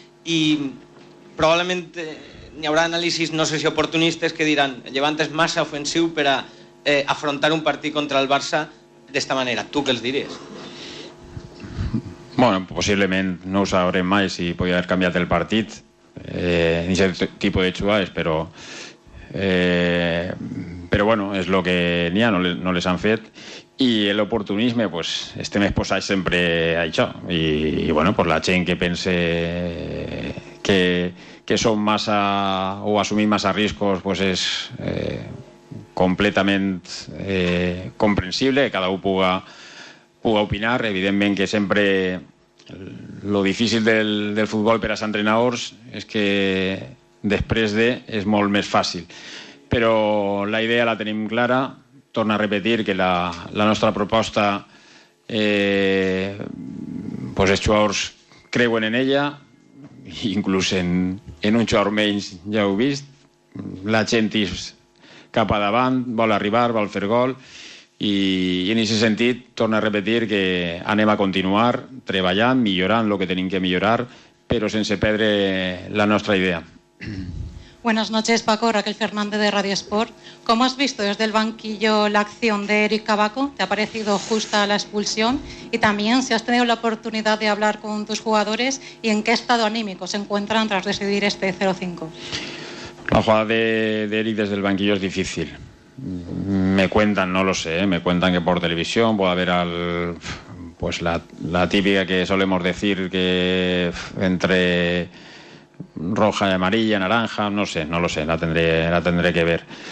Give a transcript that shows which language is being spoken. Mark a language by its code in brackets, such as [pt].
[ca] I probablement n'hi haurà anàlisis, no sé si oportunistes, que diran el llevant és massa ofensiu per a afrontar un partit contra el Barça d'esta manera. Tu què els diries? Bueno, possiblement no ho sabrem mai si podria haver canviat el partit en aquest tipus de jugades, però bueno, és el que n'hi ha, no les han fet. [es] Y el oportunismo, pues este mes pues siempre ha dicho. Y bueno, pues la gente que pense que son más a, o asumir más a riesgos, pues es completamente comprensible. Cada uno puga opinar. Evidentemente que siempre lo difícil del fútbol para los entrenadores es que después de es molt más fácil. Pero la idea la tenemos clara. [ca] Torno a repetir que la nostra proposta pues els jugadors creuen en ella, inclús en un jugador menys, ja ho heu vist, la gent és cap a davant, vol arribar, vol fer gol, i en aquest sentit torno a repetir que anem a continuar treballant, millorant el que tenim que millorar, però sense perdre la nostra idea. [es] Buenas noches, Paco. Raquel Fernández de Radio Sport. ¿Cómo has visto desde el banquillo la acción de Eric Cabaco? ¿Te ha parecido justa la expulsión? Y también, si has tenido la oportunidad de hablar con tus jugadores, ¿y en qué estado anímico se encuentran tras decidir este 0-5? La jugada de Eric desde el banquillo es difícil. Me cuentan, no lo sé, me cuentan que por televisión puede haber pues la típica que solemos decir que entre roja y amarilla, naranja, no lo sé, la tendré que ver.